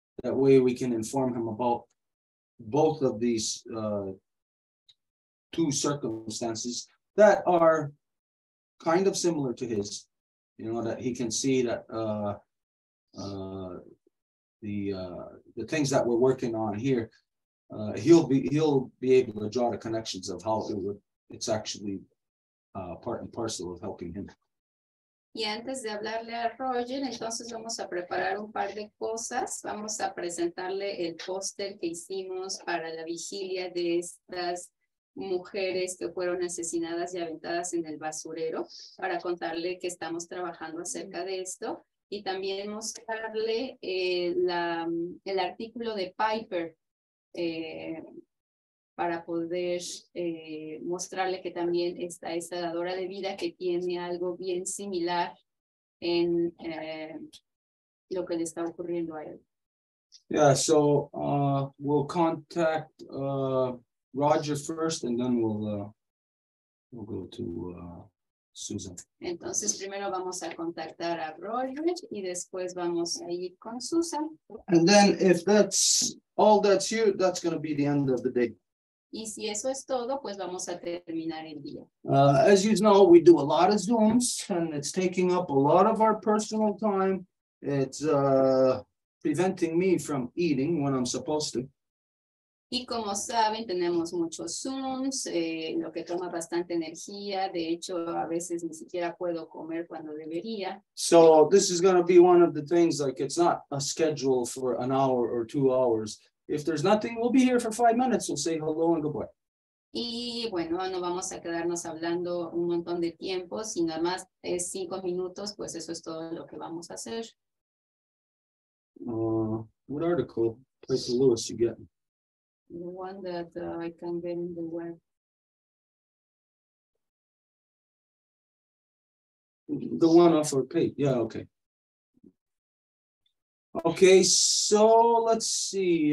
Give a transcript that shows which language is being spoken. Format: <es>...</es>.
<en>That way we can inform him about both of these two circumstances that are kind of similar to his, you know, that he can see that the things that we're working on here, he'll be able to draw the connections of how it's actually part and parcel of helping him.</en> <es>Y antes de hablarle a Roger, entonces vamos a preparar un par de cosas. Vamos a presentarle el póster que hicimos para la vigilia de estas mujeres que fueron asesinadas y aventadas en el basurero, para contarle que estamos trabajando acerca de esto y también mostrarle el artículo de Piper para poder mostrarle que también está esta dadora de vida que tiene algo bien similar en lo que le está ocurriendo a él.</es> <en>Yeah, so we'll contact Roger first, and then we'll go to Susan.</en> <es>Entonces primero vamos a contactar a Roger y después vamos a ir con Susan.</es> <en>And then if that's all that's here, that's going to be the end of the day.</en> <es>Y si eso es todo, pues vamos a terminar el día.</es> <en>As you know, we do a lot of Zooms and it's taking up a lot of our personal time. It's preventing me from eating when I'm supposed to.</en> <es>Y como saben, tenemos muchos Zooms, lo que toma bastante energía. De hecho, a veces ni siquiera puedo comer cuando debería.</es> <en>So this is going to be one of the things, like it's not a schedule for an hour or 2 hours. If there's nothing, we'll be here for 5 minutes. We'll say hello and goodbye.</en> <es>Y bueno, no vamos a quedarnos hablando un montón de tiempo. Si nada más es 5 minutos, pues eso es todo lo que vamos a hacer.</es> <en>What article, Piper Lewis, you get? The one that I can get in the web. The one off our page. Yeah, okay. Okay, so let's see.</en>